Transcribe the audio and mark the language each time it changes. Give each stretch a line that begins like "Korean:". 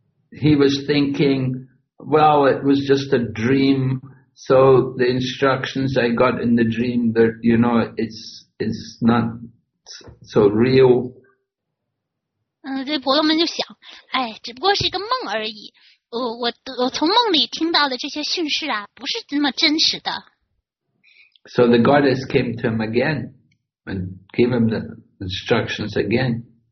English: He was thinking, well, it was just a dream, so the instructions I got in the dream, that, you know, it's not so real.
Chinese: 这婆罗门就想，哎，只不过是一个梦而已。我从梦里听到的这些讯息啊，不是那么真实的。
English: So the goddess came to him again and gave him the instructions again.